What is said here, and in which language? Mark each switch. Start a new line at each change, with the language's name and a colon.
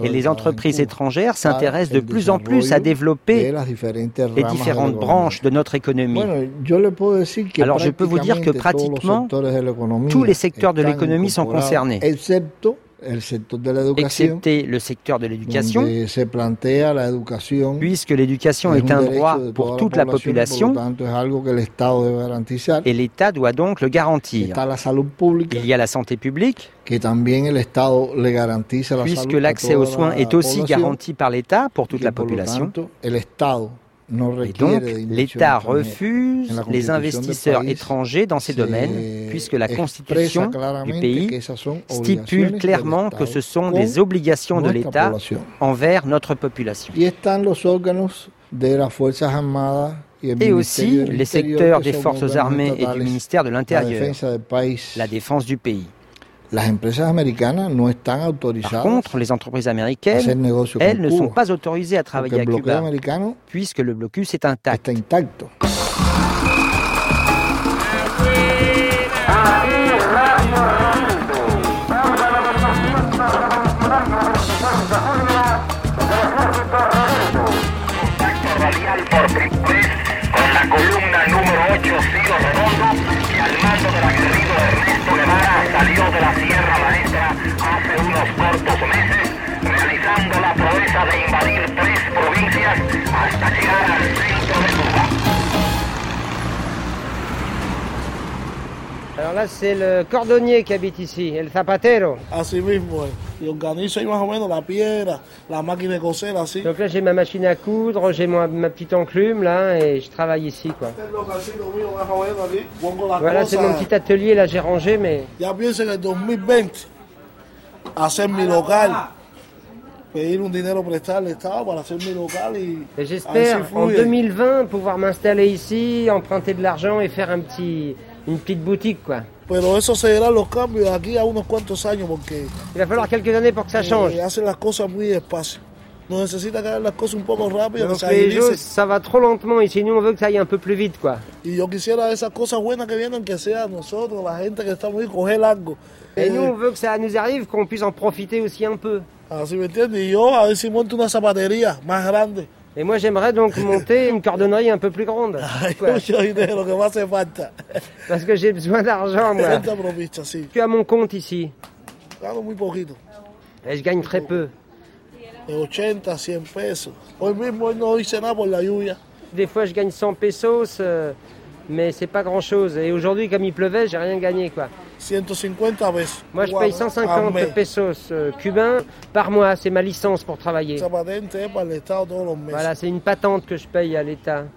French: et les entreprises étrangères s'intéressent de plus en plus à développer les différentes branches de notre économie.
Spanish: Bueno, yo le puedo decir que
French: alors je peux vous dire que pratiquement tous les secteurs de l'économie sont concernés,
Spanish: excepto el sector de la educación,
French: excepté le secteur de l'éducation,
Spanish: se plantea la educación,
French: puisque l'éducation est un droit pour toute la population,
Spanish: por tanto, es algo que el Estado debe garantizar,
French: et l'État doit donc le garantir.
Spanish: Está la salud pública,
French: il y a la santé publique,
Spanish: que también el Estado le garantiza la
French: puisque
Spanish: salud
French: l'accès aux soins est aussi garanti par l'État pour toute la population.
Spanish: Por lo tanto, el Estado no requiere
French: et donc, l'État refuse les investisseurs étrangers dans ces domaines, puisque la constitution du pays stipule clairement que ce sont des obligations de l'État envers notre population.
Spanish: Y están los órganos de las Fuerzas Armadas
French: et aussi les secteurs des Forces Armées et du ministère de l'Intérieur,
Spanish: la
French: défense du pays.
Spanish: Las empresas americanas no están autorizadas.
French: Par contre, les entreprises américaines, elles ne sont pas autorisées à travailler à Cuba, puisque le blocus est intact.
Spanish: Está intacto.
French: Alors là, c'est le cordonnier qui habite ici,
Spanish: el zapatero. Así mismo, y organizo ahí más o menos la piedra, la máquina de coser, así.
French: Donc là, j'ai ma machine à coudre, j'ai ma petite enclume, là, et je travaille ici, quoi. Voilà, c'est mon petit atelier, là, j'ai rangé, mais...
Spanish: Ya pienso en el 2020, hacer mi local, pedir un dinero prestado al Estado para hacer mi local y...
French: Et j'espère, en 2020, pouvoir m'installer ici, emprunter de l'argent et faire un petit... Une petite boutique, quoi.
Spanish: Pero eso se verán los cambios aquí a unos cuantos años, porque...
French: Il va falloir quelques années pour que ça change.
Spanish: Y hacen las cosas muy despacio. Nos necesita que hagan las cosas un poco rápido.
French: Donc, que les choses, ça va trop lentement,
Spanish: y si
French: nous, on veut que ça aille un peu plus vite, quoi.
Spanish: Y yo quisiera esas cosas buenas que vienen, que sea nosotros, la gente que estamos ahí, coger algo.
French: Et nous, on veut que ça nous arrive, qu'on puisse en profiter aussi un peu.
Spanish: Así me entiendes. Y yo, a ver si monto una zapatería más grande.
French: Et moi, j'aimerais donc monter une cordonnerie un peu plus grande. Parce que j'ai besoin d'argent, moi. Tu as mon compte ici. Et je gagne très peu. 80, 100 pesos.
Spanish: Hoy mismo no hice nada por la lluvia.
French: Des fois, je gagne 100 pesos, mais c'est pas grand-chose. Et aujourd'hui, comme il pleuvait, j'ai rien gagné, quoi. 150 pesos. Moi, je paye 150 pesos cubains par mois. C'est ma licence pour travailler. Voilà, c'est une patente que je paye à l'État.